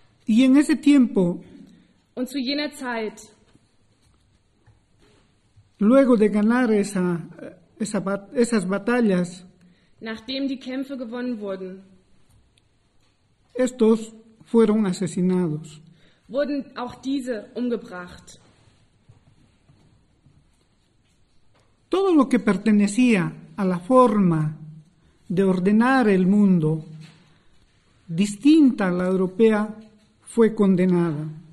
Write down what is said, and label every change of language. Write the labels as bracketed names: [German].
[Spanish] Y en ese tiempo, [German] und zu jener Zeit, [Spanish] luego de ganar esas batallas, [German] nachdem die Kämpfe gewonnen wurden, [Spanish] estos fueron asesinados, [German] wurden auch diese umgebracht. [Spanish] Todo lo que pertenecía a la forma de ordenar el mundo, distinta a la europea, fue condenada.